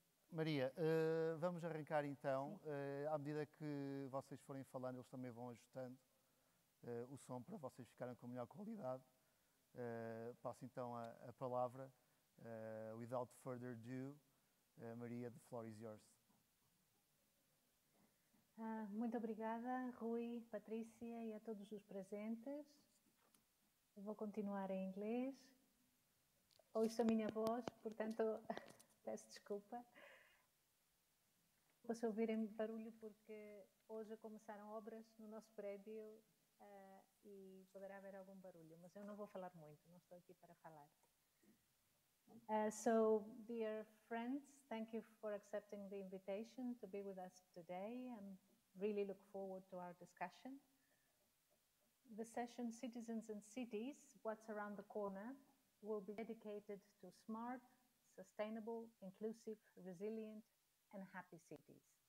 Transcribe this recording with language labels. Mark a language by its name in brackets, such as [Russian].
[Portuguese] Maria, vamos arrancar então. À medida que vocês forem falando, eles também vão ajustando o som para vocês ficarem com melhor qualidade. Passo então a palavra. [English] Without further ado, Maria, the floor is yours. [Portuguese] Muito obrigada, Rui, Patrícia e a todos os presentes. Eu vou continuar em inglês. Ouço a minha voz, portanto... Peço desculpa. Posso ouvir em barulho porque hoje começaram obras no nosso prédio e poderá haver algum barulho, mas eu não vou falar muito, não estou aqui para falar. [English] So, dear friends, thank you for accepting the invitation to be with us today and really look forward to our discussion. The session Citizens and Cities, What's Around the Corner, will be dedicated to smart, sustainable, inclusive, resilient, and happy cities.